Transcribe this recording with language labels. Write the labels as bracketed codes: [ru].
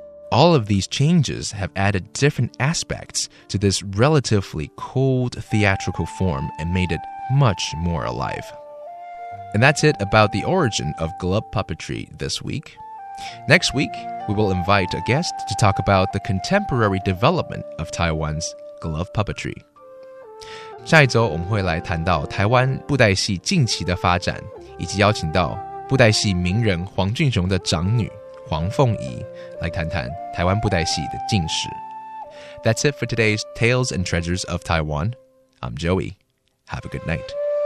[en] All of these changes have added different aspects to this relatively cold theatrical form and made it much more alive. And that's it about the origin of glove puppetry this week. Next week, we will invite a guest to talk about the contemporary development of Taiwan's glove puppetry. [zh] 下一周我们会来谈到台湾布袋戏近期的发展，以及邀请到布袋戏名人黄俊雄的长女黄凤仪来谈谈台湾布袋戏的近史。 [en] That's it for today's Tales and Treasures of Taiwan. I'm Joey. Have a good night.